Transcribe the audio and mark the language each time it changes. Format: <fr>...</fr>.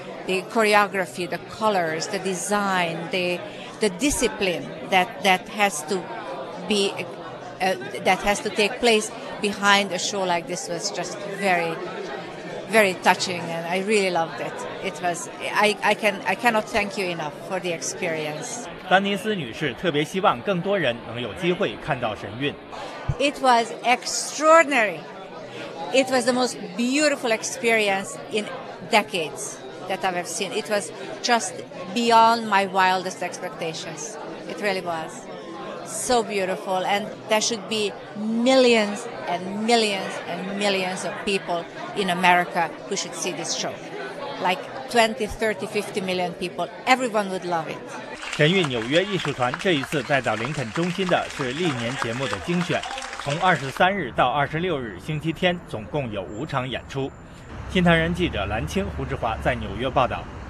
<en>The choreography, the colors, the design, the discipline that has to take place behind a show like this was just very, very touching, and I really loved it. It was, I cannot thank you enough for the experience.</en> <zh>丹尼斯女士特别希望更多人能有机会看到神韵。</zh> <en>It was extraordinary. It was the most beautiful experience in decades that I've ever seen. It was just beyond my wildest expectations. It really was so beautiful, and there should be millions and millions and millions of people in America who should see this show. Like 20, 30, 50 million people. Everyone would love it.</en> <zh>神韵纽约艺术团这一次带到林肯中心的是历年节目的精选，从23日到26日星期天，总共有五场演出。新唐人记者蓝青、胡志华在纽约报道。</zh>